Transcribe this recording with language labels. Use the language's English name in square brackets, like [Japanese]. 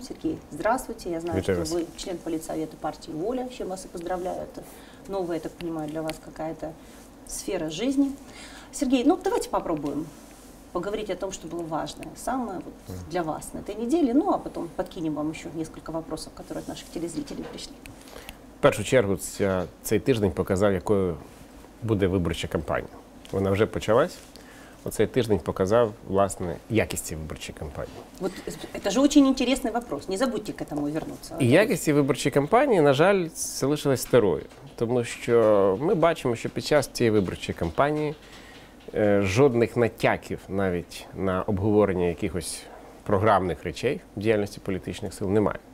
[Russian] Сергей, здравствуйте. Я знаю, что вы член политсовета партии «Воля», с чем вас и поздравляю. Это новая, я так понимаю, для вас какая-то сфера жизни. Сергей, ну давайте попробуем поговорить о том, что было важное, самое вот для вас на этой неделе. Ну а потом подкинем вам еще несколько вопросов, которые от наших телезрителей пришли. [Ukrainian] В першу чергу, цей тиждень показав, якою буде виборча кампанія. Вона вже почалась. Оцей тиждень показав, власне, якість виборчої кампанії. [Russian] Вот это же очень интересный вопрос. Не забудьте к этому вернуться. [Ukrainian] І якість виборчої кампанії, на жаль, залишилась старою. Тому що ми бачимо, що під час цієї виборчої кампанії жодних натяків навіть на обговорення якихось програмних речей в діяльності політичних сил немає.